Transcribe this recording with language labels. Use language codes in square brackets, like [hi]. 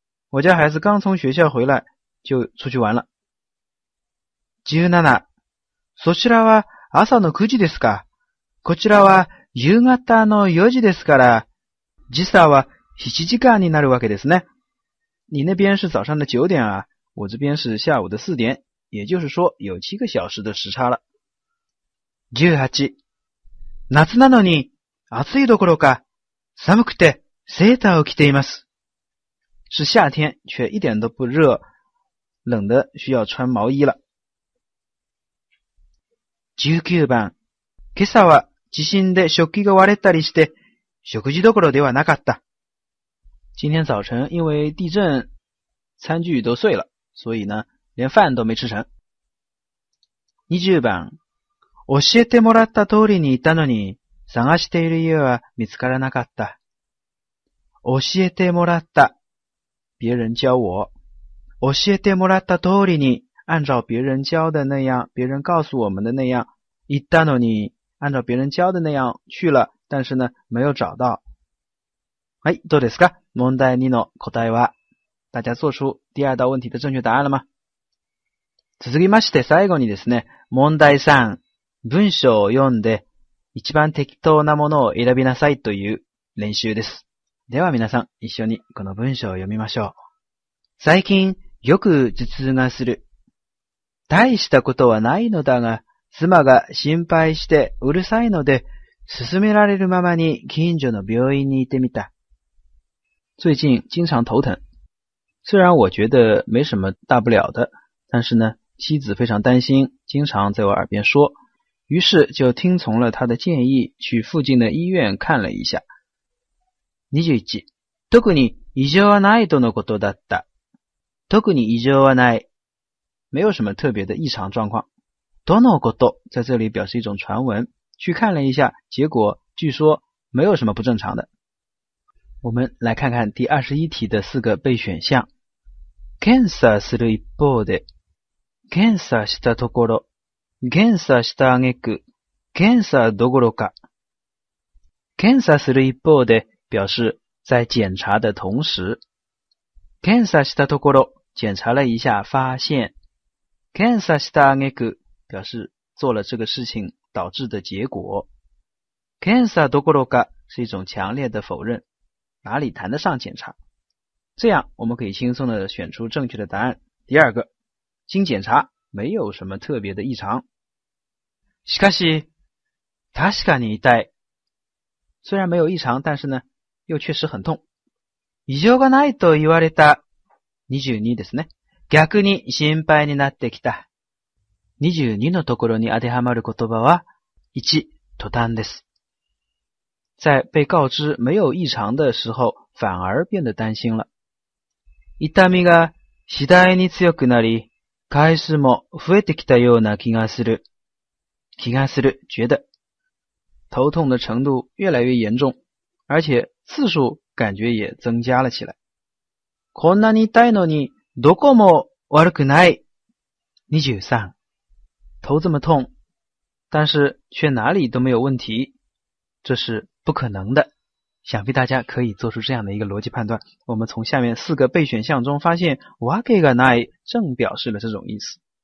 [zh] 我家孩子刚从学校回来，就出去玩了。 17。 [ja] そちらは朝の9時ですか？こちらは夕方の4時ですから、時差は7時間になるわけですね。 [zh] 你那边是早上的9点啊，我这边是下午的4点，也就是说有7个小时的时差了。 18。 [ja] 夏なのに暑いどころか寒くてセーターを着ています。 [zh] 是夏天却一点都不热，冷得需要穿毛衣了。 [ja] 19番。今朝は地震で食器が割れたりして食事どころではなかった。 [zh] 今天早晨因为地震餐具都碎了，所以呢连饭都没吃成。 [ja] 20番。教えてもらった通りにいたのに探している家は見つからなかった。教えてもらった。 [zh] 别人教我。 [ja] 教えてもらった通りに、 [zh] 按照别人教的那样，别人告诉我们的那样， [ja] いたのに， [zh] 按照别人教的那样去了，但是呢，没有找到。 [ja] はい、どうですか？問題2の答えは。 [zh] 大家做出第二道问题的正确答案了吗？ [ja] 続きまして、最後にですね、問題3。文章を読んで一番適当なものを選びなさいという練習です。では皆さん一緒にこの文章を読みましょう。最近よく頭痛がする。大したことはないのだが、妻が心配してうるさいので、勧められるままに近所の病院に行ってみた。 [zh] 最近经常头疼。虽然我觉得没什么大不了的，但是呢，妻子非常担心，经常在我耳边说。于是就听从了他的建议，去附近的医院看了一下。 21。 [ja] 特に異常はないとのことだった。特に異常はない。 [zh] 没有什么特别的异常状况。どのこと在这里表示一种传闻。去看了一下，结果据说没有什么不正常的。我们来看看第21题的四个备选项。 [ja] 検査する一方で、検査したところ。検査した挙句、検査どころか。 [zh] 検査する一方で表示在检查的同时。 [ja] 検査したところ、 [zh] 检查了一下发现。 [ja] 検査した挙句、 [zh] 表示做了这个事情导致的结果。 [ja] 検査どころか [zh] 是一种强烈的否认。哪里谈得上检查。这样我们可以轻松地选出正确的答案。第二个、经检查。没有什么特别的异常。 [ja] しかし、確かに痛い。 [zh] 虽然没有异常，但是呢，又确实很痛。 [ja] 異常がないと言われた。 22ですね。逆に心配になってきた。 22のところに当てはまる言葉は、1、途端です。 [zh] 在被告知没有异常的时候，反而变得担心了。 [ja] 痛みが次第に強くなり、回数も増えてきたような気がする。気がする、觉得。 [zh] 头痛的程度越来越严重、而且次数感觉也增加了起来。 [ja] こんなに痛いのに、どこも悪くない。 23。 [zh] 头这么痛、但是却哪里都没有问题。这是不可能的。想必大家可以做出这样的一个逻辑判断，我们从下面四个备选项中发现わけがない正表示了这种意思。